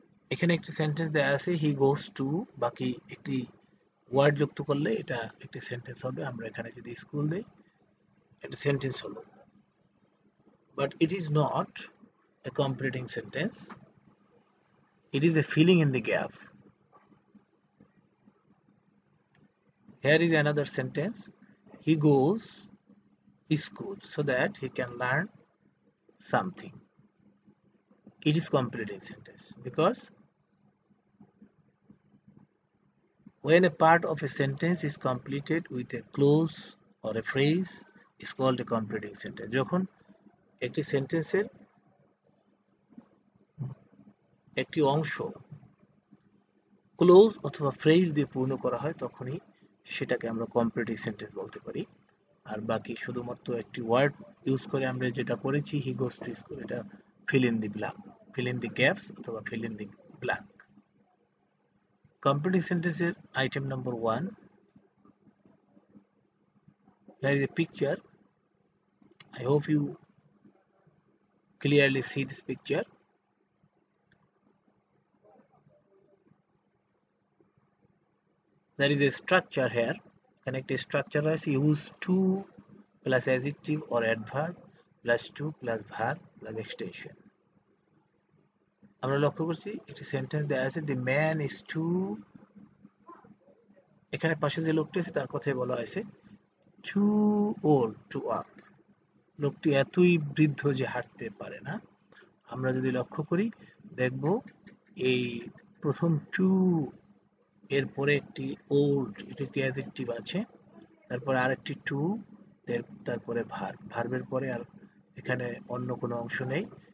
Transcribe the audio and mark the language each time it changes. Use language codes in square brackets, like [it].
[bn] এখানে একটি সেন্টেন্স দেওয়া আছে, [en] he goes to, [bn] বাকি একটি ওয়ার্ড যুক্ত করলে এটা একটি সেন্টেন্স হবে। আমরা এখানে যদি স্কুল দিই, একটা সেন্টেন্স হলো, [en] But it is not a completing sentence. It is a filling in the gap. Here is another sentence. He goes to school so that he can learn something. It is completing sentence because when a part of a sentence is completed with a clause or a phrase, it is called a completing sentence. [bn] যখন একটি সেন্টেন্সের একটি অংশ close অথবা phrase দিয়ে পূর্ণ করা হয়, তখনই সেটাকে আমরা কমপ্লিটিং সেন্টেন্স বলতে পারি। আর বাকি শুধুমাত্র একটি ওয়ার্ড ইউজ করে আমরা যেটা করেছি, [en] he goes to school, [bn] এটা [en] fill in the gaps [bn] অথবা [en] Fill in the blank. Completing সেন্টেন্সের item number one, here is a picture. I hope you clearly see this picture. There is a structure here. Connect a structure as use to plus adjective or adverb plus to plus verb plus extension. [bn] আমরা লক্ষ্য করছি একটি sentence দেওয়া আছে, [en] the man is too, [bn] এখানে পাশে যে লোকটি আছে তার কথাই বলা হয়েছে, [en] too old to walk, [bn] লোকটি এতই বৃদ্ধ যে হাঁটতে পারে না। আমরা যদি লক্ষ্য করি দেখব এই প্রথম টু এরপরে একটি ওল্ড, এটা একটি অ্যাডজেক্টিভ আছে, তারপরে আর একটি টু, তারপরে ভার্ব, ভার্বের পরে আর এখানে অন্য কোনো অংশ নেই।